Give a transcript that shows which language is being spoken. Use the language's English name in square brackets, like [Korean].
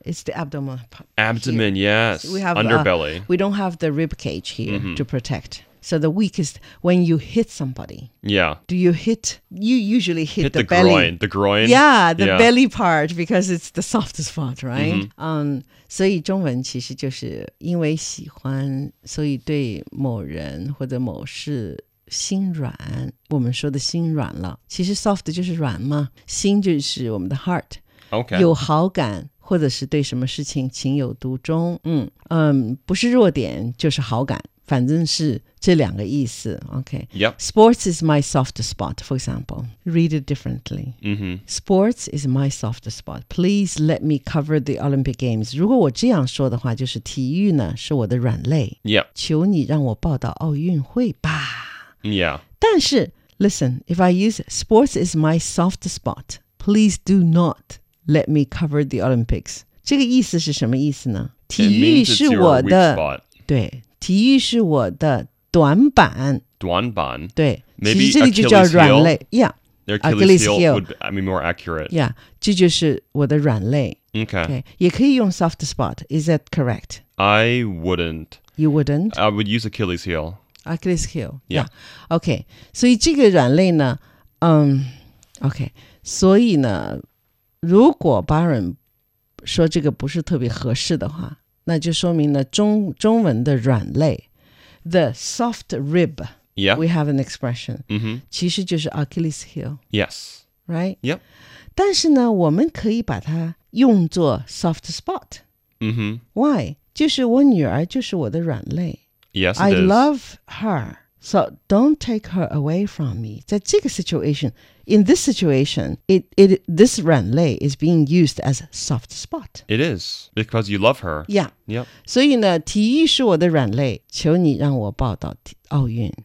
[English] It's the abdomen part. Abdomen, yes. We have underbelly. We don't have the rib cage here mm-hmm. to protect. So the weakest, when you hit somebody. Yeah. Do you hit, you usually hit the belly. Groin. The groin. Yeah, the belly part, because it's the softest part, right? Mm-hmm. [Chinese] 所以中文其实就是因为喜欢，所以对某人或者某事心软，我们说的心软了，其实 soft 就是软嘛，心就是我们的 heart。 [English] Okay. [Chinese] 有好感或者是对什么事情情有独钟，嗯嗯，不是弱点就是好感，反正是这两个意思。 [English] Okay. Yep. Sports is my soft spot, for example. Read it differently.、 Mm-hmm. Sports is my soft spot. Please let me cover the Olympic Games. [Chinese] 如果我这样说的话，就是体育呢是我的软肋。 [English] Yep. [Chinese] 求你让我报道奥运会吧。 [English] Yeah. [Chinese] 但是 [English] listen, if I use sports is my soft spot, please do not let me cover the Olympics. [Chinese] 这个意思是什么意思呢？体育是我的对，体育是我的短板。短板对， [English] maybe [Chinese] 其实这里就叫软肋。 [English] Yeah, Achilles heel would be more accurate. Yeah, [Chinese] 这就是我的软肋。 [English] Okay. Okay, [Chinese] 也可以用 [English] soft spot. Is that correct? I wouldn't. You wouldn't? I would use Achilles heel. Achilles heel. Yeah. Yeah. Okay, [Chinese] 所以这个软肋呢，嗯 ，Okay， 所以呢，如果 Baron 说这个不是特别合适的话。那就说明了 中文的软肋 [English] The soft rib、 yeah. We have an expression、 mm-hmm. [Chinese] 其实就是 Achilles heel [English] Yes Right、 yep. [Chinese] 但是呢我们可以把它用作 soft spot、 [English] mm-hmm. Why? [Chinese] 就是我女儿就是我的软肋 [English] Yes, I love her So don't take her away from me [Chinese] 在这个 [English] situation In this situation, this 软肋 is being used as a soft spot. It is, because you love her. Yeah. Yep. [Chinese] 所以呢，体育是我的软肋，求你让我报道奥运。